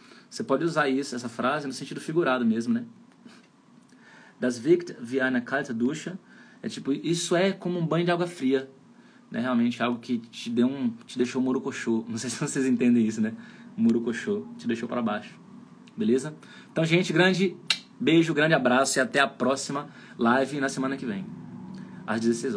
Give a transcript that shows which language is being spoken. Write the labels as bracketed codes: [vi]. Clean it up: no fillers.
[pt] Você pode usar isso, essa frase, no sentido figurado mesmo, né? [de] Das wirkt wie eine kalte Dusche. [pt] É tipo, isso é como um banho de água fria, né? Realmente, algo que te deixou murucoxô. Não sei se vocês entendem isso, né? Murucoxô, te deixou para baixo. Beleza? Então, gente, grande beijo, grande abraço e até a próxima live na semana que vem. Às 16 horas.